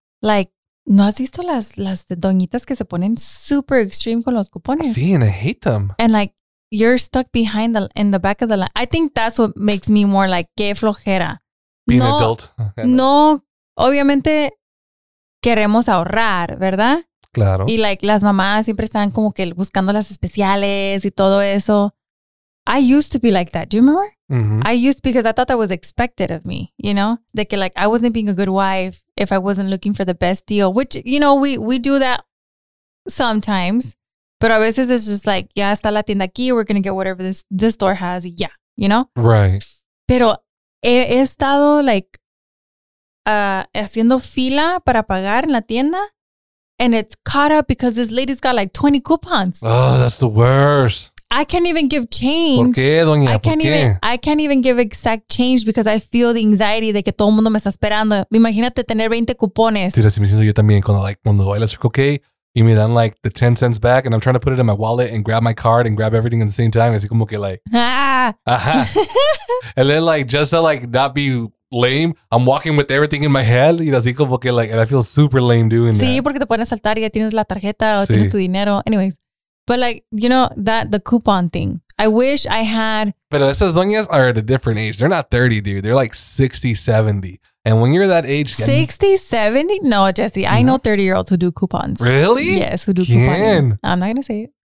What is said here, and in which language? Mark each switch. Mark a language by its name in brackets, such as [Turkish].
[Spanish] Like, ¿no has visto las doñitas que se ponen [English] super extreme [Spanish] con los cupones? Sí, [English] and I hate them. And like, you're stuck behind in the back of the line. I think that's what makes me more like, [Spanish] qué flojera. [English] Being an adult. [Spanish] No, obviamente, queremos ahorrar, ¿verdad? Claro. Y like, las mamás siempre están como que buscando las especiales y todo eso. [English] I used to be like that. Do you remember? Mm-hmm. I used, because I thought that was expected of me, you know? [Spanish] De que [English] like, I wasn't being a good wife if I wasn't looking for the best deal, which, you know, we do that sometimes. [Spanish] Pero a veces [English] it's just like, [Spanish] ya está la tienda aquí, [English] we're going to get whatever this store has, yeah, you know? Right. [Spanish] Pero he estado like haciendo fila para pagar en la tienda [English] and it's caught up because this lady's got like 20 coupons. Oh, that's the worst. I can't even give change. [Spanish] ¿Por qué, doña? [English] I can't even give exact change because I feel the anxiety [Spanish] de que todo el mundo me está esperando. Imagínate tener 20 cupones. Tira, si me siento yo también cuando baila Circle K. Y me dan [English] like the 10 cents back and I'm trying to put it in my wallet and grab my card and grab everything at the same time. [Spanish] Así como que [English] like, ah. [Spanish] Ajá. [English] And then like, just to like not be lame, I'm walking with everything in my head. [Spanish] Y así como que [English] like, and I feel super lame doing [Spanish] sí, [English] that. [Spanish] Sí, porque te pueden saltar y ya tienes la tarjeta o sí. Tienes tu dinero. [English] Anyways. But like, you know, that the coupon thing. I wish I had. [Spanish] Pero esas doñas [English] are at a different age. They're not 30, dude. They're like 60, 70. And when you're that age. 60, 70? No, Jesse. Yeah. I know 30-year-olds who do coupons. Really? Yes, who do coupons. I'm not going to say it.